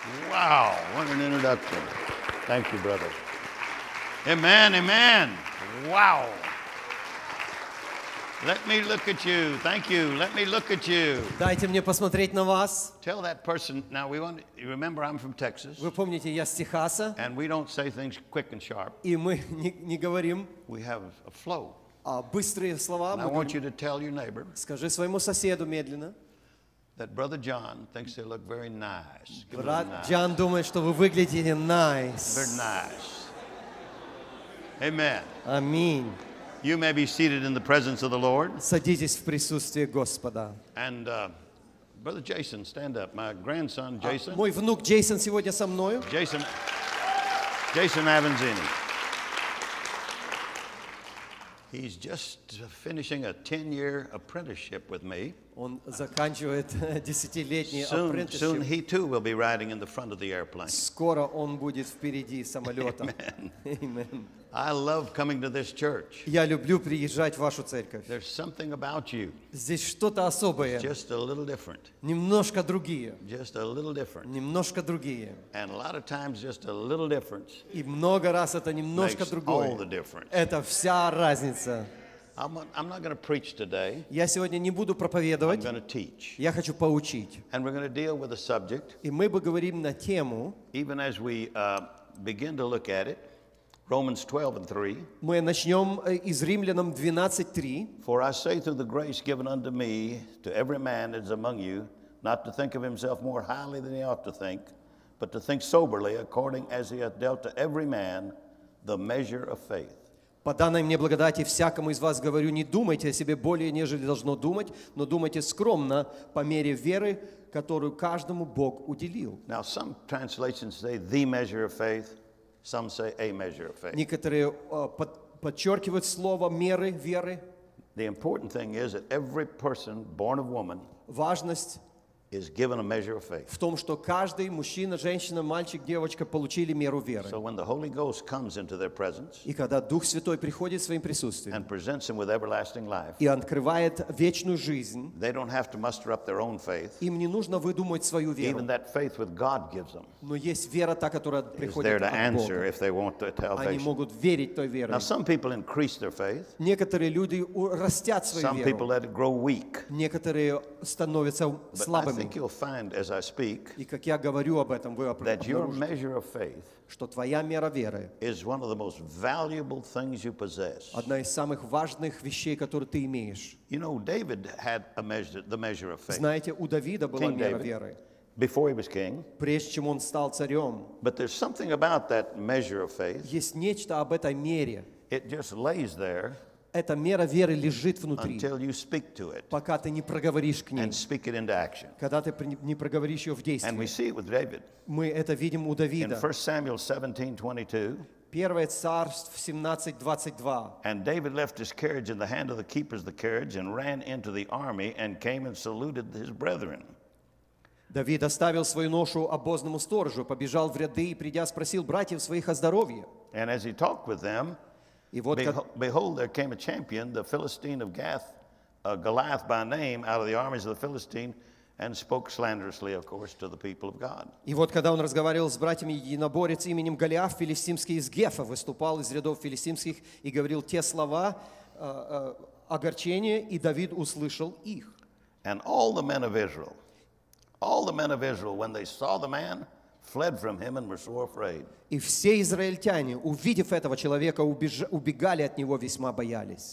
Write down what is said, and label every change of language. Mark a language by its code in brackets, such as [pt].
[en] Wow. What an introduction. Thank you, brother. Amen, amen. Wow. Let me look at you. Thank you. Let me look at you. [ru] Дайте мне посмотреть на вас. [en] Tell that person. Now we want. Remember, I'm from Texas. [ru] Вы помните, я с Техаса. [en] And we don't say things quick and sharp. [ru] И мы не говорим. [en] We have a flow. [ru] А быстрые слова. [en] And I want you to tell your neighbor. [ru] Скажи своему соседу медленно. [en] That Brother John thinks they look very nice. [ru] Брат Джон думает, что вы выглядите nice. [en] Very nice. Amen. Amen. You may be seated in the presence of the Lord. [ru] Садитесь в присутствие Господа. [en] And Brother Jason, stand up. My grandson Jason. [ru] Мой внук Джейсон сегодня со мною. [en] Jason Avanzini. He's just finishing a 10-year apprenticeship with me. [ru] Он заканчивает десятилетний [en] apprenticeship. Soon he too will be riding in the front of the airplane. [ru] Скоро он будет впереди самолета. [en] Amen. Amen. I love coming to this church. [ru] Я люблю приезжать в вашу церковь. [en] There's something about you. [ru] Здесь что-то особое. [en] Just a little different. [ru] Немножко другие. [en] Just a little different. [ru] Немножко другие. [en] And a lot of times, just a little difference. [ru] И много раз это немножко другое. [en] Makes all the difference. [ru] Это вся разница. [en] I'm not going to preach today. [ru] Я сегодня не буду проповедовать. [en] I'm going to teach. [ru] Я хочу поучить. [en] And we're going to deal with a subject. [ru] И мы поговорим на тему. [en] Even as we begin to look at it. Romans 12 and 3. [ru] Мы начнём из Римлянам 12:3. [en] For I say through the grace given unto me to every man that is among you, not to think of himself more highly than he ought to think, but to think soberly according as he hath dealt to every man the measure of faith. [ru] По данной мне благодати всякому из вас говорю, не думайте о себе более, нежели должно думать, но думайте скромно по мере веры, которую каждому Бог уделил. [en] Now some translations say the measure of faith. Some say a measure of faith. [ru] Некоторые подчеркивают слово меры веры. [en] The important thing is that every person born of woman [ru] важность [en] is given a measure of faith. [ru] В том, что каждый мужчина, женщина, мальчик, девочка получили меру веры. [en] So when the Holy Ghost comes into their presence, [ru] и когда Дух Святой приходит своим присутствием, [en] and presents them with everlasting life, [ru] и открывает вечную жизнь, [en] they don't have to muster up their own faith. [ru] Им не нужно выдумывать свою веру. [en] Even that faith with God gives them. [ru] Но есть вера та, которая приходит от Бога. Они могут верить той верой. [en] Now some people increase their faith. [ru] Некоторые люди растят свою веру. [en] Some people let it grow weak. [ru] Некоторые становятся слабыми. [en] But I think you'll find as I speak, [ru] и как я говорю об этом, вы обнаружите, [en] that your measure of faith, [ru] что твоя мера веры, [en] is one of the most valuable things you possess. [ru] Одна из самых важных вещей, которые ты имеешь. [en] You know, David had a measure, the measure of faith. [ru] Знаете, у Давида была [en] King [ru] мера [en] David. [ru] Веры. [en] Before he was king, [ru] прежде чем он стал царем, [en] but there's something about that measure of faith. [ru] Есть нечто об этой мере. [en] It just lays there. [ru] Эта мера веры лежит внутри. [en] Until you speak to it, [ru] пока ты не проговоришь к ней. [en] And speak it into action. [ru] Когда ты не проговоришь ее в действие. [en] And we see it with David. [ru] Мы это видим у Давида. [en] In 1 Samuel 17:22. [ru] Первое царство 17:22. [en] And David left his carriage in the hand of the keepers of the carriage and ran into the army and came and saluted his brethren. [ru] Давид оставил свою ношу обозному сторожу, побежал в ряды и, придя, спросил братьев своих о здоровье. [en] And as he talked with them, [ru] и вот [en] behold, there came a champion, the Philistine of Gath, Goliath by name, out of the armies of the Philistine, and spoke slanderously, of course, to the people of God. [ru] И вот когда он разговаривал с братьями, единоборец именем Голиаф, филистимский из Гефа, выступал из рядов филистимских и говорил те слова огорчения, и Давид услышал их. [en] And all the men of Israel, all the men of Israel, when they saw the man, fled from him and were sore afraid. [ru] И все израильтяне, увидев этого человека, убегали от него, весьма боялись.